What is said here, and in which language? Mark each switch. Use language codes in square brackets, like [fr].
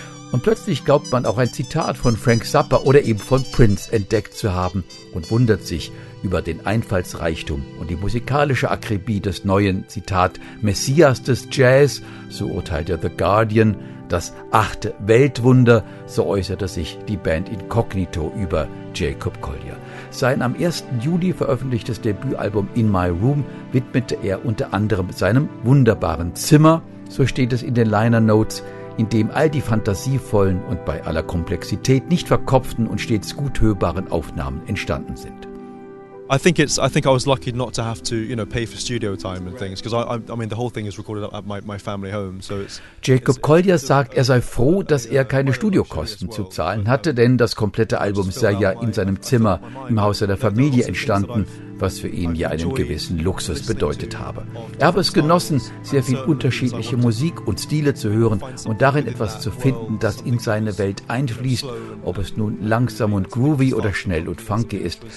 [de] Und plötzlich glaubt man auch ein Zitat von Frank Zappa oder eben von Prince entdeckt zu haben und wundert sich über den Einfallsreichtum und die musikalische Akribie des neuen, Zitat, Messias des Jazz, so urteilte The Guardian, das achte Weltwunder, so äußerte sich die Band Incognito über Jacob Collier. Sein am 1. Juli veröffentlichtes Debütalbum In My Room widmete er unter anderem seinem wunderbaren Zimmer, so steht es in den Liner Notes, in dem all die fantasievollen und bei aller Komplexität nicht verkopften und stets gut hörbaren Aufnahmen entstanden sind. [en] I think I was lucky not to have to, you know, pay for studio time and things, because I mean the whole thing is recorded at my family home, so it's. [de] Jacob Collier sagt, er sei froh, dass er keine Studiokosten zu zahlen hatte, denn das komplette Album sei ja in seinem Zimmer im Haus seiner Familie entstanden, was für ihn ja einen gewissen Luxus bedeutet habe. Er habe es genossen, sehr viel unterschiedliche Musik und Stile zu hören und darin etwas zu finden, das in seine Welt einfließt, ob es nun langsam und groovy oder schnell und funky ist.